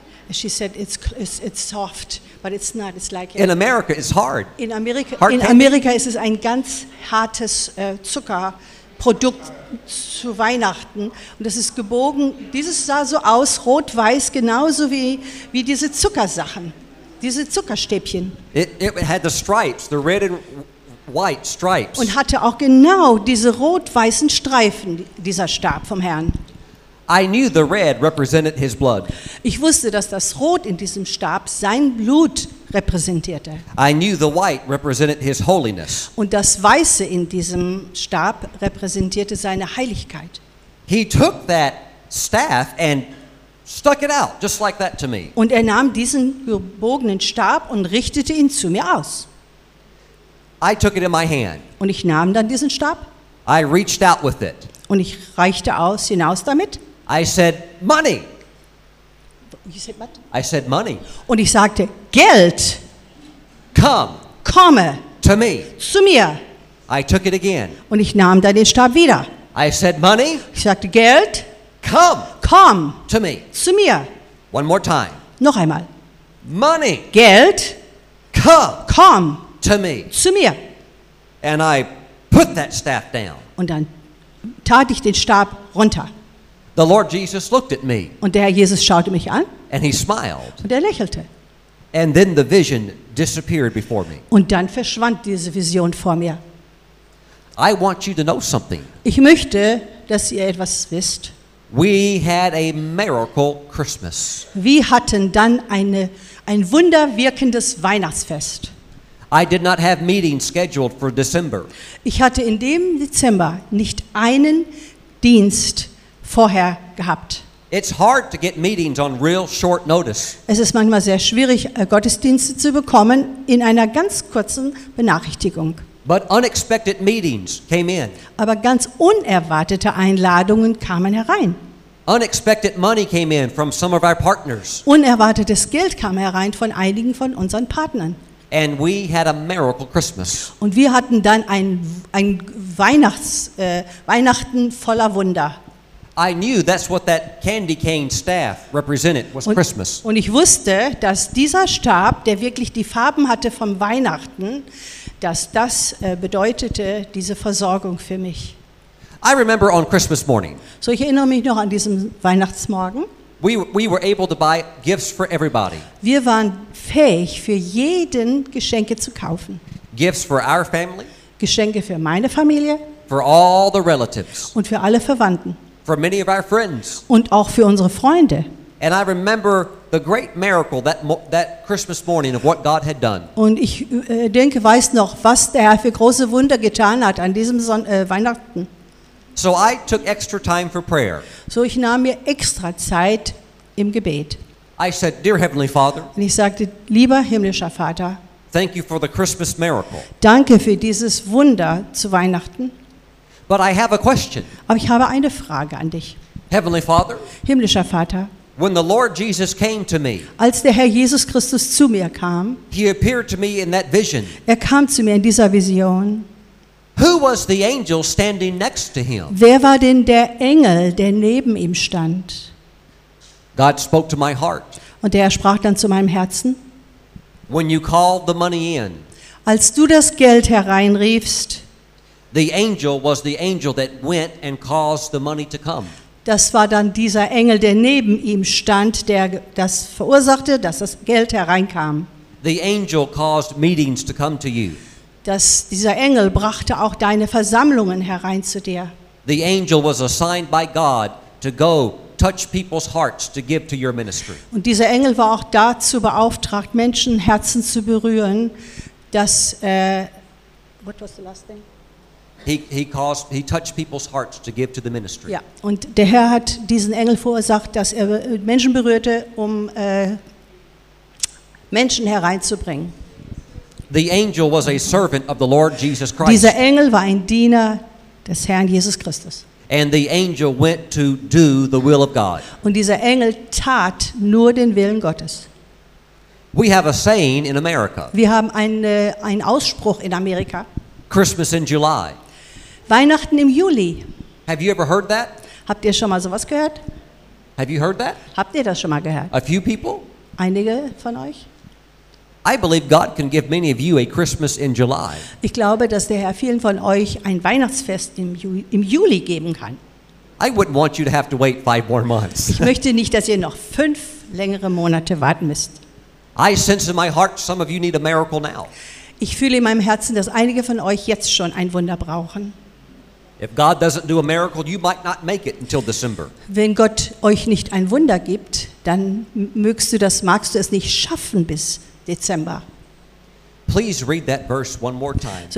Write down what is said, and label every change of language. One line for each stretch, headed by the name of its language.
English: She said it's soft, but it's not. It's like in America, it's hard. In Amerika, hard in candy.
German: Amerika ist es ein ganz hartes Zuckerprodukt zu Weihnachten, und das ist gebogen. Dieses sah so aus, rot-weiß, genauso wie diese Zuckersachen, diese Zuckerstäbchen.
English: It had the stripes, the red and white stripes.
German: Und hatte auch genau diese rot-weißen Streifen, dieser Stab vom Herrn.
English: I knew the red represented his blood.
German: Ich wusste, dass das Rot in diesem Stab sein Blut repräsentierte.
English: I knew the white represented his holiness.
German: Und das Weiße in diesem Stab repräsentierte seine Heiligkeit.
English: He took that staff and stuck it out just like that to me.
German: Und er nahm diesen gebogenen Stab und richtete ihn zu mir aus.
English: I took it in my hand.
German: Und ich nahm dann diesen Stab.
English: I reached out with it.
German: Und ich reichte hinaus damit.
English: I said money. You said what? I said money.
German: Und ich sagte Geld.
English: Come.
German: Komme.
English: To me.
German: Zu mir.
English: I took it again.
German: Und ich nahm dann den Stab wieder.
English: I said money.
German: Ich sagte Geld.
English: Come.
German: Komm.
English: To me.
German: Zu mir.
English: One more time.
German: Noch einmal.
English: Money.
German: Geld.
English: Come.
German: Komm.
English: To me.
German: Zu mir.
English: And I put that staff down.
German: Und dann tat ich den Stab runter.
English: The Lord Jesus looked at me.
German: Und der Herr Jesus schaute mich an.
English: And he smiled.
German: Und er lächelte.
English: And then the vision disappeared before me.
German: Und dann verschwand diese Vision vor mir.
English: I want you to know something.
German: Ich möchte, dass ihr etwas wisst.
English: We had a miracle Christmas.
German: Wir hatten dann ein wunderwirkendes Weihnachtsfest.
English: I did not have meetings scheduled for December.
German: Ich hatte in dem Dezember nicht einen Dienst vorher gehabt.
English: It's hard to get meetings on real short notice.
German: Es ist manchmal sehr schwierig, Gottesdienste zu bekommen in einer ganz kurzen Benachrichtigung.
English: But unexpected meetings came in.
German: Aber ganz unerwartete Einladungen kamen herein.
English: Unexpected money came in from some of our partners.
German: Unerwartetes Geld kam herein von einigen von unseren Partnern.
English: And we had a miracle Christmas.
German: Und wir hatten dann ein Weihnachten voller Wunder.
English: I knew that's what that candy cane staff represented was Christmas.
German: Und ich wusste, dass dieser Stab, der wirklich die Farben hatte vom Weihnachten, dass das bedeutete diese Versorgung für mich.
English: I remember on Christmas morning.
German: So ich erinnere mich noch an diesem Weihnachtsmorgen.
English: We were able to buy gifts for everybody.
German: Wir waren fähig, für jeden Geschenke zu kaufen.
English: Gifts for our family.
German: Geschenke für meine Familie.
English: For all the relatives.
German: Und für alle Verwandten.
English: For many of our friends.
German: Und auch für unsere Freunde.
English: And I remember the great miracle that Christmas morning of what God had done.
German: Und ich denke, weiß noch, was der Herr für große Wunder getan hat an diesem Weihnachten.
English: So I took extra time for prayer.
German: So ich nahm mir extra Zeit im Gebet.
English: I said, "Dear Heavenly Father."
German: Und ich sagte, lieber himmlischer Vater.
English: Thank you for the Christmas miracle.
German: Danke für dieses Wunder zu Weihnachten.
English: But I have a question.
German: Aber ich habe eine Frage an dich.
English: Heavenly Father,
German: himmlischer Vater,
English: when the Lord Jesus came to me,
German: als der Herr Jesus Christus zu mir kam,
English: he appeared to me in that vision.
German: Er kam zu mir in dieser Vision.
English: Who was the angel standing next to him?
German: Wer war denn der Engel, der neben ihm stand?
English: God spoke to my heart.
German: Und der Herr sprach dann zu meinem Herzen.
English: When you called the money in,
German: als du das Geld hereinriefst,
English: the angel was the angel that went and caused the money to come.
German: Das war dann dieser Engel, der neben ihm stand, der das verursachte, dass das Geld hereinkam.
English: The angel caused meetings to come to you.
German: Dieser Engel brachte auch deine Versammlungen herein zu dir.
English: The angel was assigned by God to go touch people's hearts to give to your ministry.
German: Und dieser Engel war auch dazu beauftragt, Menschen Herzen zu berühren, dass
English: what was the last thing? He touched people's hearts to give to the ministry.
German: Ja, und der Herr hat diesen Engel verursacht, dass er Menschen berührte, um Menschen hereinzubringen.
English: The angel was a servant of the Lord Jesus Christ.
German: Dieser Engel war ein Diener des Herrn Jesus Christus.
English: And the angel went to do the will of God.
German: Und dieser Engel tat nur den Willen Gottes.
English: We have a saying in America.
German: Wir haben einen Ausspruch in Amerika.
English: Christmas in July.
German: Weihnachten im Juli.
English: Have you ever heard that?
German: Habt ihr schon mal sowas gehört?
English: Have you heard that?
German: Habt ihr das schon mal gehört?
English: A few people?
German: Einige von euch?
English: I believe God can give many of you a Christmas in July.
German: Ich glaube, dass der Herr vielen von euch ein Weihnachtsfest im Juli geben kann.
English: I wouldn't want you to have to wait 5 more months.
German: Ich möchte nicht, dass ihr noch 5 längere Monate warten müsst.
English: I sense in my heart some of you need a miracle now.
German: Ich fühle in meinem Herzen, dass einige von euch jetzt schon ein Wunder brauchen.
English: If God doesn't do a miracle, you might not make it until December.
German: Wenn Gott euch nicht ein Wunder gibt, dann magst du es nicht schaffen bis Dezember.
English: Please read that verse one more time.